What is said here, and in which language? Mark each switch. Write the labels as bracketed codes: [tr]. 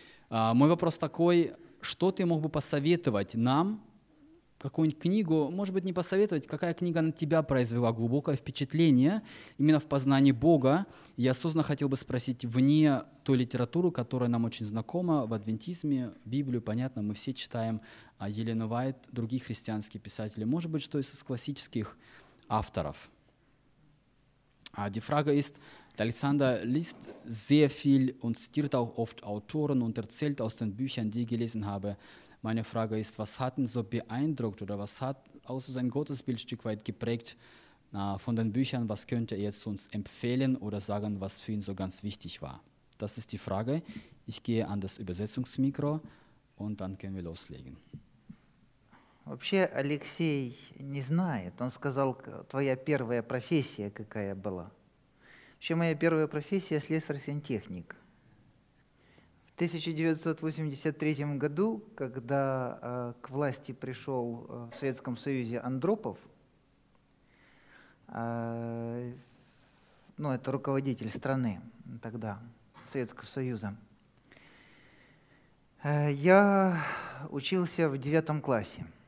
[ru] Мой вопрос такой, что ты мог бы посоветовать нам, какую-нибудь книгу, может быть, не посоветовать, какая книга на тебя произвела глубокое впечатление именно в познании Бога? Я осознанно хотел бы спросить вне той литературы, которая нам очень знакома в адвентизме, Библию, понятно, мы все читаем Елену Вайт, другие христианские писатели, может быть, что из классических авторов. [de] Die Frage ist, Alexander liest sehr viel und zitiert auch oft Autoren und erzählt aus den Büchern, die ich gelesen habe. Meine Frage ist, was hat ihn so beeindruckt oder was hat auch so sein Gottesbild ein Stück weit geprägt von den Büchern? Was könnte er jetzt uns empfehlen oder sagen, was für ihn so ganz wichtig war? Das ist die Frage. Ich gehe an das Übersetzungsmikro und dann können wir loslegen. [ru] Вообще Алексей не знает. Он сказал, твоя первая профессия какая была. Вообще моя первая профессия – слесарь-сантехник. В 1983 году, когда к власти пришел в Советском Союзе Андропов, ну, это руководитель страны тогда, Советского Союза, я учился в 9 классе.